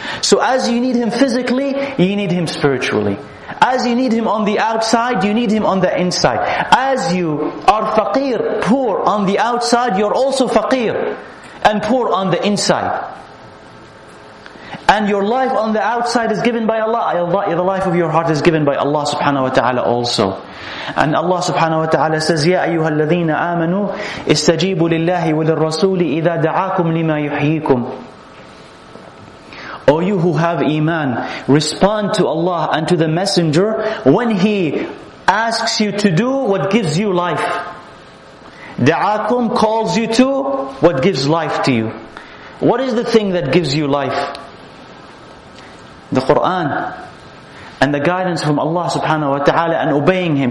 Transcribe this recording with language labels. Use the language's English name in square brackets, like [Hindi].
[English] So as you need Him physically, you need Him spiritually. As you need Him on the outside, you need Him on the inside. As you are faqir, poor on the outside, you're also faqir and poor on the inside. And your life on the outside is given by Allah. The life of your heart is given by Allah subhanahu wa ta'ala also. And Allah subhanahu wa ta'ala says, [Arabic] يَا أَيُّهَا الَّذِينَ آمَنُوا إِسْتَجِيبُوا لِلَّهِ وَلِلرَّسُولِ إِذَا دَعَاكُمْ لِمَا يُحْيِيكُمْ. [English] O you who have iman, respond to Allah and to the Messenger when He asks you to do what gives you life. دَعَاكُمْ calls you to what gives life to you. What is the thing that gives you life? The Qur'an and the guidance from Allah subhanahu wa ta'ala and obeying Him.